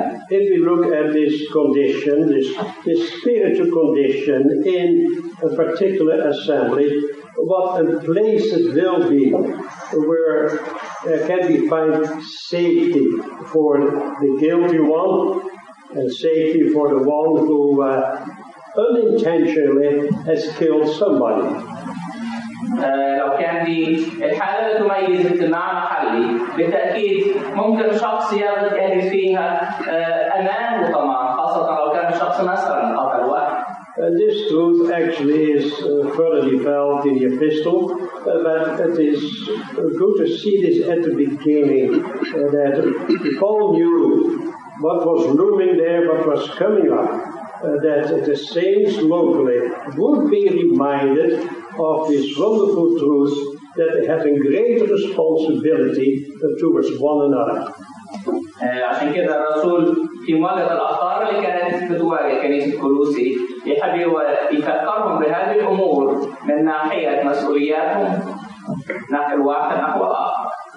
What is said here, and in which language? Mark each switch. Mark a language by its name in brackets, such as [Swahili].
[English] If we look at this condition, this spiritual condition in a particular assembly, what a place it will be where can we find safety for the guilty one and safety for the one who unintentionally has killed somebody. [Arabic] لو كان دي الحالة تميز اجتماع محلي بالتأكيد ممكن شخص يجد فيها أمان وطمأنينة خاصة لو كان شخص مثلا قتل واحد. [English] This truth actually is further developed in the epistle, but it is good to see this at the beginning, that Paul knew what was looming there, what was coming up, that the saints locally would be reminded of this wonderful truth that they have a greater responsibility towards one another. [Arabic] عشان كده الرسول في مواجهة الأخطار اللي كانت بتواجه كنيسة كولوسي يحب يفكرهم بهذه الأمور من ناحية مسؤولياتهم ناحية الواحد نحو الآخر.